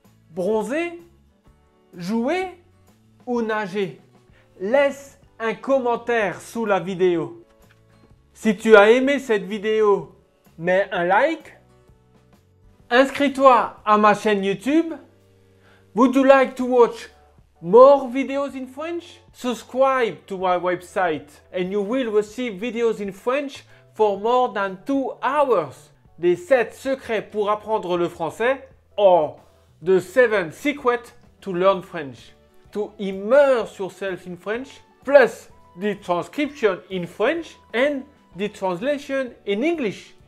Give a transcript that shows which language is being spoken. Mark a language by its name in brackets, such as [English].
[French] Bronzer, jouer ou nager? Laisse un commentaire sous la vidéo. Si tu as aimé cette vidéo, mets un like. Inscris-toi à ma chaîne YouTube. [English] Would you like to watch more videos in French? Subscribe to my website and you will receive videos in French for more than 2 hours. [French] Des 7 secrets pour apprendre le français [English] or the 7 secrets to learn French. To immerse yourself in French plus the transcription in French and the translation in English.